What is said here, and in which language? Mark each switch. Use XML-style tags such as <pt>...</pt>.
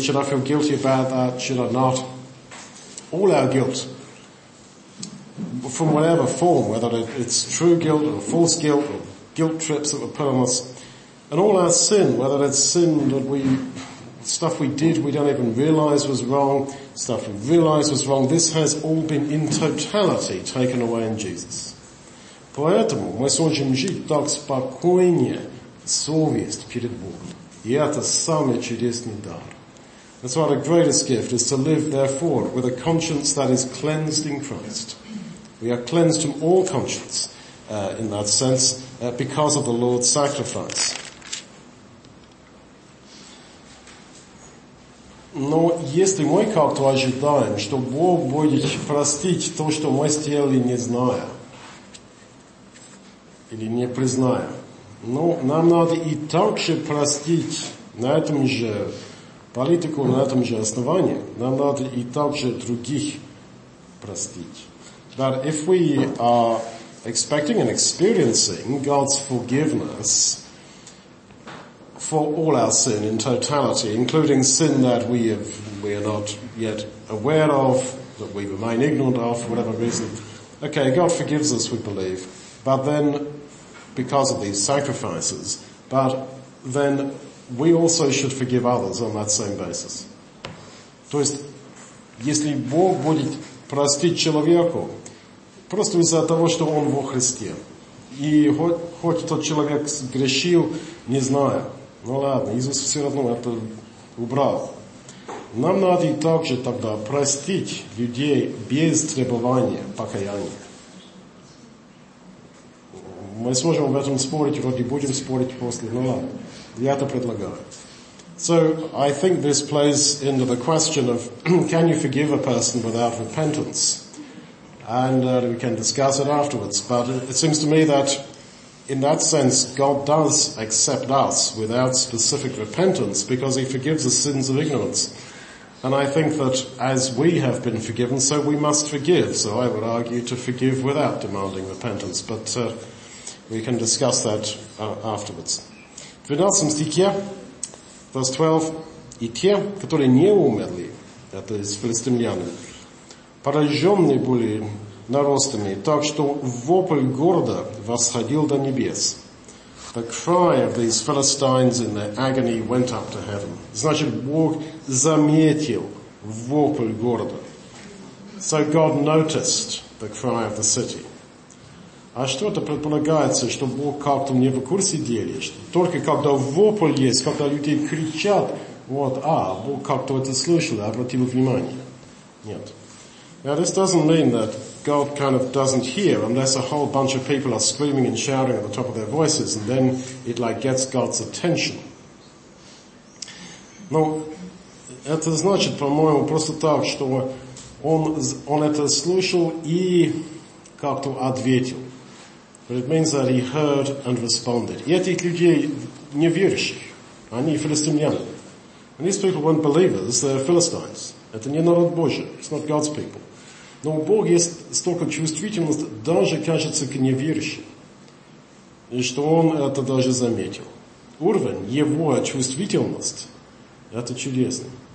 <en>Should I feel guilty about that? Should I not? All our guilt, from whatever form, whether it's true guilt or false guilt or guilt trips that were put on us, and all our sin, whether it's sin that stuff we did we don't even realize was wrong, stuff we realized was wrong, this has all been in totality taken away in Jesus.</en> <ru>Поэтому мы сможем жить так спокойнее, совесть перед Богом. И это самый чудесный дар.</ru> <en>That's why the greatest gift is to live, therefore, with a conscience that is cleansed in Christ. We are cleansed from all conscience, in that sense, because of the Lord's sacrifice.</en> <ru>Но если мы как-то ожидаем, что Бог будет простить то, что мы сделали, не зная, или не призная, ну, нам надо и так же простить на этом же политику, на этом же основании, нам надо и так же других простить.</ru> <en>That if we are expecting and experiencing God's forgiveness for all our sin in totality, including sin that we are not yet aware of, that we remain ignorant of for whatever reason. Okay, God forgives us, we believe, but then because of these sacrifices, but then we also should forgive others on that same basis.</en> <ru>То есть, если Бог будет простить человеку просто из-за того, что он во Христе, и хоть тот человек грешил, не знаю. Ну ладно, Иисус все равно это убрал. Нам надо также тогда простить людей без требования покаяния. Мы сможем об этом спорить, вроде будем спорить после, но я это предлагаю.</ru> <en>So I think this plays into the question of can you forgive a person without repentance? And we can discuss it afterwards. But it seems to me that in that sense, God does accept us without specific repentance because he forgives the sins of ignorance. And I think that as we have been forgiven, so we must forgive. So I would argue to forgive without demanding repentance. But we can discuss that afterwards.</en> <ru>12 стихе,</ru> <en>verse 12,</en> <ru>«И те, которые не умерли, это из филистимлянами, пораженные были наростами, так что вопль города восходил до небес».</ru> <en>The cry of these Philistines in their agony went up to heaven.</en> <ru>Значит, Бог заметил вопль города.</ru> <en>So God noticed the cry of the city.</en> <ru>А что это предполагается, что Бог как-то не в курсе дела? Только когда вопль есть, когда люди кричат, вот, а, Бог как-то это слышал и обратил внимание. Нет.</ru> <en>Now this doesn't mean that God kind of doesn't hear unless a whole bunch of people are screaming and shouting at the top of their voices and then it like gets God's attention.</en> <ru>Но это значит, по-моему, просто так, что он это слышал и как-то ответил.</ru> <en>But it means that he heard and responded.</en> <ru>И этих людей неверующих, они филистимляне.</ru> <en>And these people weren't believers, they're Philistines.</en> <ru>Это не народ Божий,</ru> <en>it's not God's people.</en> <ru>Но у Бога есть столько чувствительности, даже кажется к неверующим, и что он это даже заметил. Уровень его чувствительности – это чудесно.</ru>